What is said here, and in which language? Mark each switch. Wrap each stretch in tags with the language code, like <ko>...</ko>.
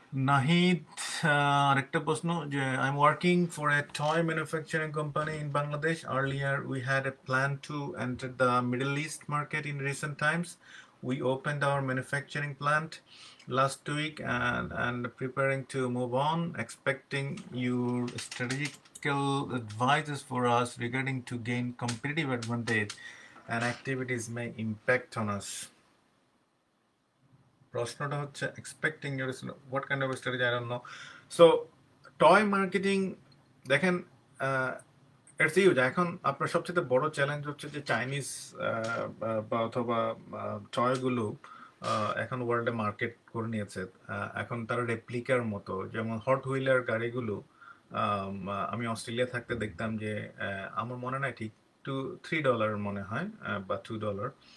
<en>Nahid,</en> <bn>আরেকটা প্রশ্ন, যে</bn> <en>I am working for a toy manufacturing company in Bangladesh, earlier we had a plan to enter the Middle East market, in recent times we opened our manufacturing plant last week and preparing to move on, expecting your strategical advices for us regarding to gain competitive advantage and activities may impact on us.</en> <bn>Prashnata hoche</bn> <en>expecting your, what kind of a strategy, I don't know. So toy marketing,</en> <bn>dekhen</bn> <en>it's huge.</en> <bn>Ekhon apnar sobcheye boro challenge hoche je Chinese ba othoba toy gulo এখন ওয়ার্ল্ডে market করে নিয়েছে, এখন তারা রেপ্লিকার মতো, যেমন hot wheeler গাড়িগুলো আমি অস্ট্রেলিয়া থাকতে দেখতাম, যে আমার মনে নাই ঠিক, $2-3 মনে হয় বা $2,</bn>